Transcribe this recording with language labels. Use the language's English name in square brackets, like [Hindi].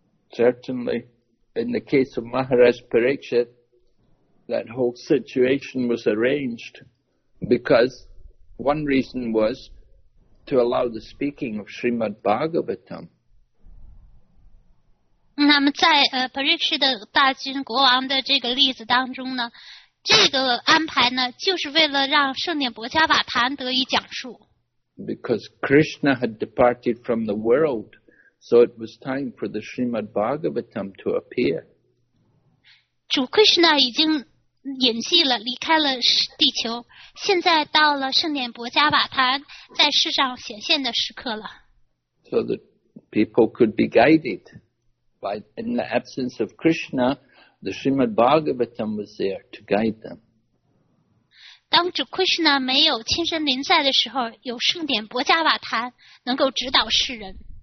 [English] Certainly In the case of Maharaj Parikshit, that whole situation was arranged because one reason was to allow the speaking of Srimad Bhagavatam. [Chinese] 那么在Parikshit的大军国王的这个例子当中呢，这个安排呢，就是为了让圣典薄伽瓦坛得以讲述。 [English] Because Krishna had departed from the world, so it was time for the Srimad Bhagavatam to appear. [Chinese] 主 Krishna 已经隐去了，离开了地球，现在到了圣典薄伽瓦坛在世上显现的时刻了。 [English] So that people could be guided. By, in the absence of Krishna, the Srimad Bhagavatam was there to guide them. [Chinese] 当主 Krishna 没有亲身临在的时候，有圣典薄伽瓦坛能够指导世人。